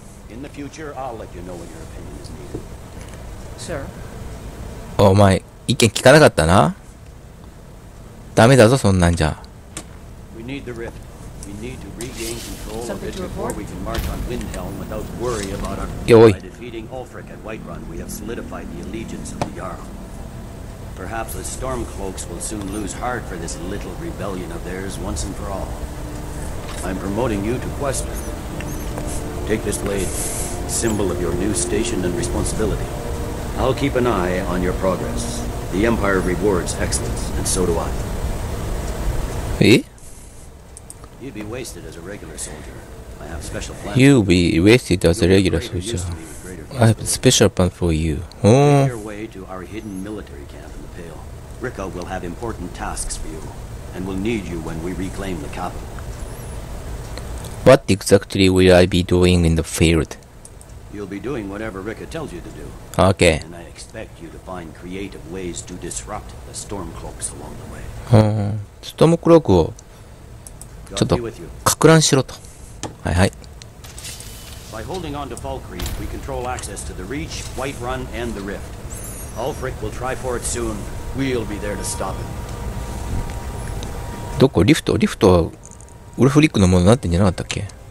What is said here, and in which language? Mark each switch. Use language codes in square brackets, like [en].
[en] In the future, I'll let you know when your opinion is needed. Sir. [ja] お前、意見聞かなかったな。ダメだぞ、そんなんじゃ。 [en] We need the rift. We need to regain control of it before we can march on Windhelm without worry about our. [ja] よい。 [en] Ulfric at Whiterun, we have solidified the allegiance of the Jarl. Perhaps the Stormcloaks will soon lose heart for this little rebellion of theirs once and for all. I'm promoting you to Questor. Take this blade, symbol of your new station and responsibility. I'll keep an eye on your progress. The Empire rewards excellence, and so do I. Eh? You'd be wasted as a regular soldier. I have special plans. You'll be wasted as a regular soldier. I have a special plan for you. Oh. Make your way to our hidden military camp in the Pale. Rikka will have important tasks for you, and will need you when we reclaim the capital. What exactly will I be doing in the field? You'll be doing whatever Rikka tells you to do. Okay. And I expect you to find creative ways to disrupt the Stormcloaks along the way. [ja] Stormcloak をちょっとかく乱しろと。はいはい。 [en] By holding on to Falkreath, we control access to the Reach, White Run, and the Rift. Ulfric will try for it soon. We'll be there to stop him. [ja] どこ？リフト？リフトはウルフリックのものになってんじゃなかったっけ？